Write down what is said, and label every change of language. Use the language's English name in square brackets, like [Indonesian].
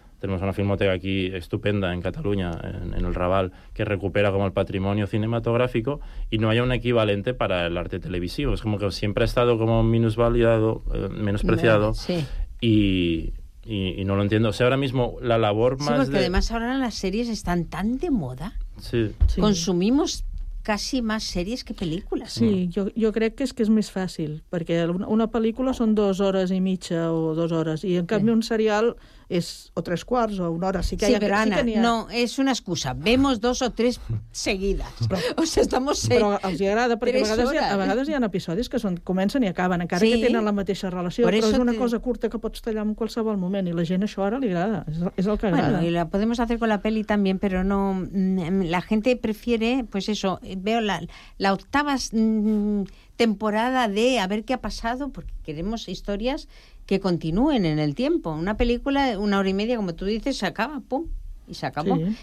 [Spanish] Tenemos una filmoteca aquí estupenda en Cataluña, en el Raval, que recupera como el patrimonio cinematográfico y no haya un equivalente para el arte televisivo. Es como que siempre ha estado como minusvalidado, menospreciado. Sí. Y no lo entiendo. O sea, ahora mismo la labor más... Sí, porque de... además ahora las series están tan de moda. Sí. Consumimos casi más series que películas. [Catalan] Sí, jo crec que és més fàcil, perquè una pel·lícula són 2 hores i mitja o 2 hores, i en canvi un serial és o 3/4 o 1 hora. Sí, que hi ha, però Anna, sí que no, és una excusa. [Spanish] Vemos 2 o 3 seguides. O sea, estamos seis. [Catalan] Però els agrada, perquè a vegades hi ha episodis que comencen i acaben, encara sí, que tenen la mateixa relació, però és una cosa curta que pots tallar en qualsevol moment, i la gent això ara li agrada. És el que agrada. [Spanish] Bueno, y la podemos hacer con la peli también, pero no... La gente prefiere, pues eso, veo la octava temporada de a ver qué ha pasado, porque queremos historias que continúen en el tiempo. Una película, 1 hora y media, como tú dices, se acaba, pum, y se acabó. Sí.